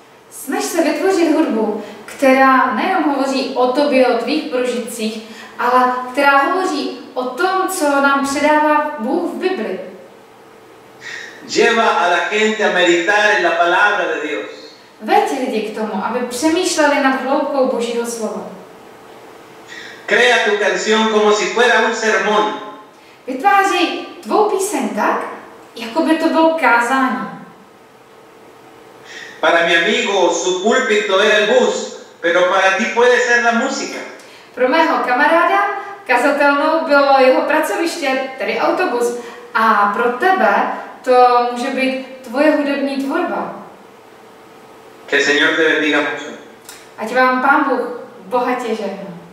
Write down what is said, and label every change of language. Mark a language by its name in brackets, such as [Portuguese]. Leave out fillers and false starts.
[Czech] Snaž se vytvořit hudbu, která nejen hovoří o tobě, o tvých prožitcích, ale která hovoří o tom, co nám předává Bůh v Bibli. [Spanish] Lleva a la gente a meditar en la palabra de Dios. [Czech] Veď lidi k tomu, aby přemýšleli nad hloubkou Božího slova. [Spanish] Crea tu canción como si fuera un sermón. [Czech] Vytváří tvou píseň tak, jako by to bylo kázání. [Spanish] Para mi amigo su púlpito era el bus, pero para ti puede ser la música. [Czech] Pro mého kamaráda kazatelnou bylo jeho pracoviště, tedy autobus, a pro tebe to může být tvoje hudební tvorba. [Spanish] Que el Señor te bendiga mucho. [Czech] Ať vám Pán Bůh bohatě žehná.